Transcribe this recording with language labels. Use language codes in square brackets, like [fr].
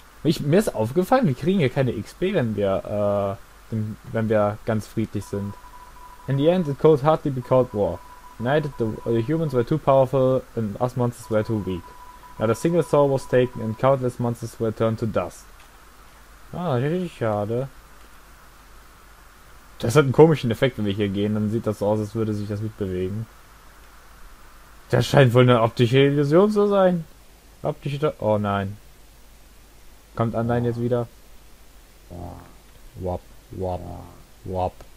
[de] Mir ist aufgefallen, wir kriegen hier keine XP, wenn wir ganz friedlich sind. [en] In the end, it could hardly be called war. United, the humans were too powerful and us monsters were too weak. Now the single soul was taken and countless monsters were turned to dust. [de] Ah, das ist richtig schade. Das hat einen komischen Effekt, wenn wir hier gehen, dann sieht das so aus, als würde sich das mitbewegen. Das scheint wohl eine optische Illusion zu sein. Oh nein. Kommt Undyne jetzt wieder? Wop, wop, wop.